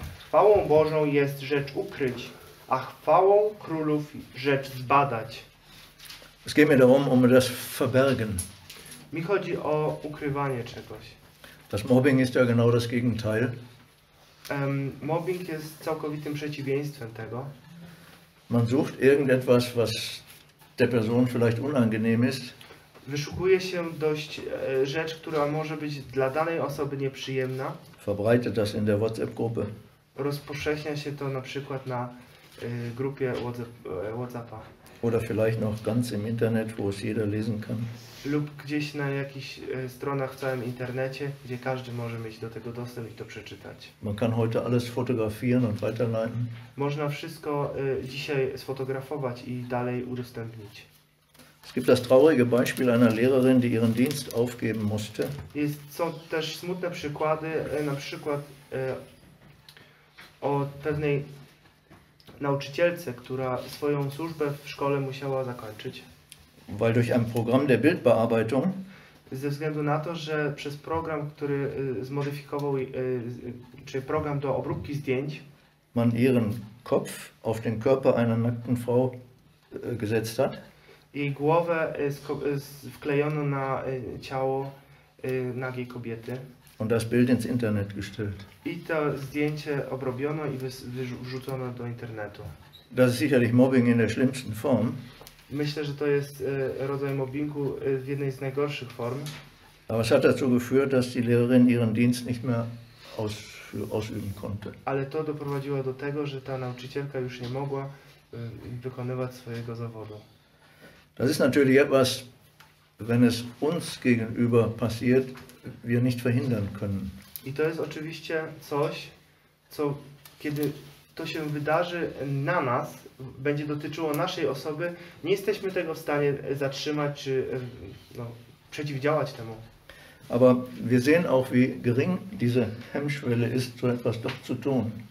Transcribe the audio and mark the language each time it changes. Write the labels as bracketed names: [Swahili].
[Polish] Chwałą Bożą jest rzecz ukryć, a chwałą królów rzecz zbadać. [German] Es geht mir darum, das verbergen. [Polish] Mi chodzi o ukrywanie czegoś. [German] Das Mobbing ist ja genau das Gegenteil. [Polish] Mobbing jest całkowitym przeciwieństwem tego. [German] Man sucht irgendetwas, was der Person vielleicht unangenehm ist. [Polish] Wyszukuje się dość rzecz, która może być dla danej osoby nieprzyjemna. [German] Verbreite das in der WhatsApp-Gruppe. [Polish] Rozpowszechnia się to na przykład na grupie WhatsApp. [German] Oder vielleicht noch ganz im Internet, wo es jeder lesen kann. [Polish] Lub gdzieś na jakichś stronach w całym internecie, gdzie każdy może mieć do tego dostęp i to przeczytać. [German] Man kann heute alles fotografieren und weiterleiten. [Polish] Można wszystko dzisiaj sfotografować i dalej udostępnić. [German] Es gibt das traurige Beispiel einer Lehrerin, die ihren Dienst aufgeben musste. [Polish] Jest, są też smutne przykłady, na przykład o pewnej nauczycielce, która swoją służbę w szkole musiała zakończyć. [German] Weil durch ein Programm der Bildbearbeitung, [Polish] ze względu na to, że przez program, który zmodyfikował, czy program do obróbki zdjęć, [German] man ihren Kopf auf den Körper einer nackten Frau gesetzt hat, [Polish] jej głowę wklejono na ciało nagiej kobiety. [German] Und das Bild ins Internet gestellt. [Polish] I to zdjęcie obrobiono i wrzucono do internetu. [German] Das ist sicherlich Mobbing in der schlimmsten Form. [Polish] Myślę, że to jest rodzaj mobbingu w jednej z najgorszych form. [German] Aber es hat dazu geführt, dass die Lehrerin ihren Dienst nicht mehr ausüben konnte. [Polish] Ale to doprowadziło do tego, że ta nauczycielka już nie mogła wykonywać swojego zawodu. [German] Das ist natürlich etwas, wenn es uns gegenüber passiert, wir nicht verhindern können. [Polish] I to jest oczywiście coś, co kiedy to się wydarzy na nas, będzie dotyczyło naszej osoby, nie jesteśmy tego w stanie zatrzymać czy no, przeciwdziałać temu. [German] Aber wir sehen auch, wie gering diese Hemmschwelle ist, so etwas doch zu tun.